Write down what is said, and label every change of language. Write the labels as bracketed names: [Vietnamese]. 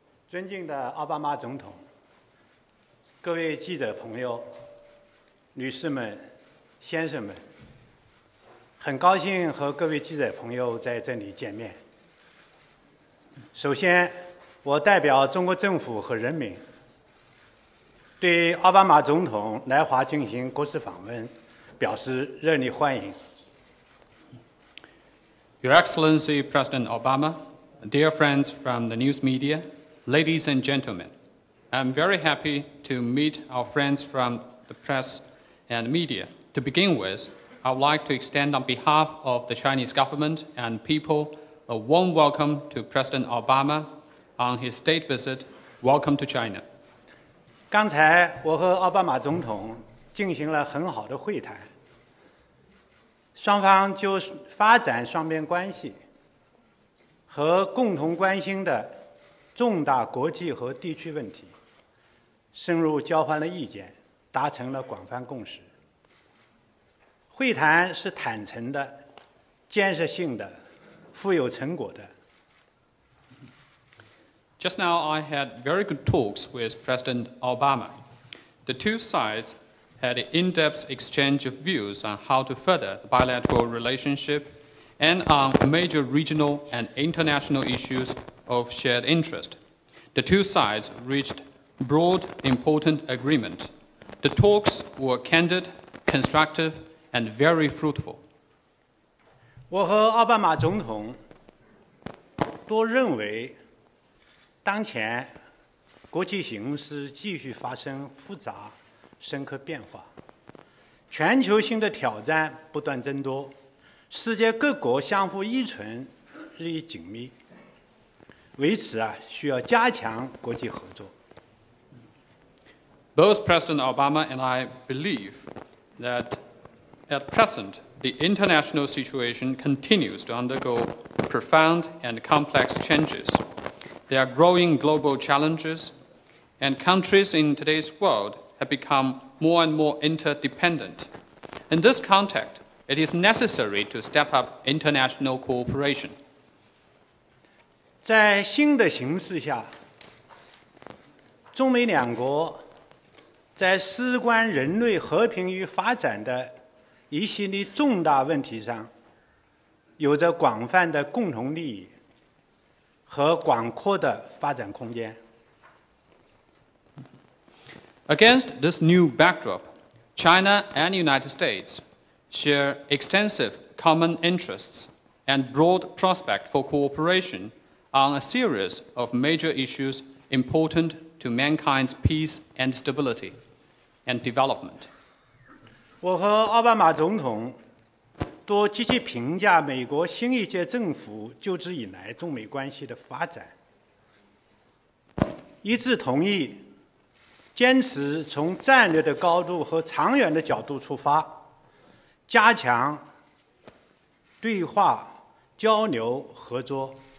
[Chinese] 尊敬的奥巴马总统，各位记者朋友，女士们，先生们，很高兴和各位记者朋友在这里见面。首先，我代表中国政府和人民，对奥巴马总统来华进行国事访问表示热烈欢迎。 [English] Your Excellency President Obama, dear friends from the news media,Ladies and gentlemen, I'm very happy to meet our friends from the press and media. To begin with, I would like to extend on behalf of the Chinese government and people a warm welcome to President Obama on his state visit. Welcome to China. [Chinese] 刚才我和奥巴马总统进行了很好的会谈，双方就发展双边关系和共同关心的重大国际和地区问题深入交换了意见，达成了广泛共识。会谈是坦诚的、建设性的、富有成果的。 [English] Just now I had very good talks with President Obama. The two sides had an in-depth exchange of views on how to further the bilateral relationship and on major regional and international issues. Of shared interest. The two sides reached broad, important agreement. The talks were candid, constructive, and very fruitful. [Chinese] 我和奥巴马总统都认为，当前国际形势继续发生复杂、深刻变化，全球性的挑战不断增多，世界各国相互依存日益紧密。为此啊，需要加强国际合作。 [English] Both President Obama and I believe that at present the international situation continues to undergo profound and complex changes. There are growing global challenges, and countries in today's world have become more and more interdependent. In this context, it is necessary to step up international cooperation. [Chinese] 在新的形势下，中美两国在事关人类和平与发展的一系列重大问题上，有着广泛的共同利益和广阔的发展空间。 [English] Against this new backdrop, China and the United States share extensive common interests and broad prospect for cooperation. On a series of major issues important to mankind's peace and stability and development. [Chinese] 我和奥巴马总统都积极评价美国新一届政府就职以来中美关系的发展，一致同意坚持从战略的高度和长远的角度出发，加强对话、交流、合作。